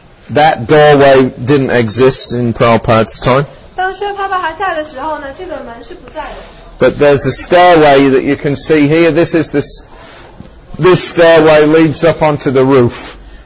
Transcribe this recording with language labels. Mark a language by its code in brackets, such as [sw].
[en] That doorway didn't exist in Prabhupada's time. [zh] 当薛帕帕还在的时候呢，这个门是不在的。 [en] But there's a stairway that you can see here. This is this. This stairway leads up onto the roof.